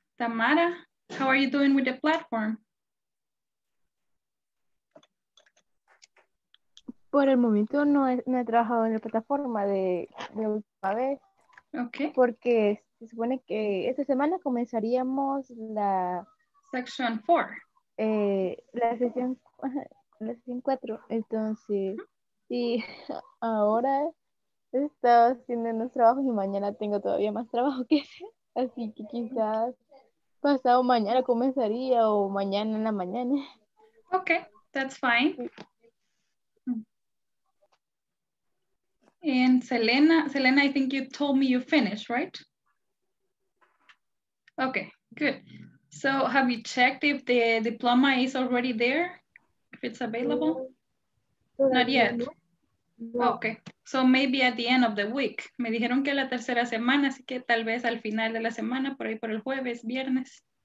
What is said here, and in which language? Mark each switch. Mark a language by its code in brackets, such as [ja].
[en] Tamara, how are you doing with the platform? [es] Por el momento no he trabajado en la plataforma de última vez. [en] Okay. [es] Porque se supone que esta semana comenzaríamos la... [en] Section 4. [es] La sesión 4. Entonces, uh-huh. Y ahora he estado haciendo unos trabajos y mañana tengo todavía más trabajo que hacer. Así que quizás pasado mañana comenzaría o mañana en la mañana. [en] Okay, that's fine. And Selena, I think you told me you finished, right? Okay, good. So have you checked if the diploma is already there? If it's available? Not yet. Okay, so maybe at the end of the week. [es] Me dijeron que la tercera semana, así que tal vez al final de la semana, por ahí por el jueves, viernes.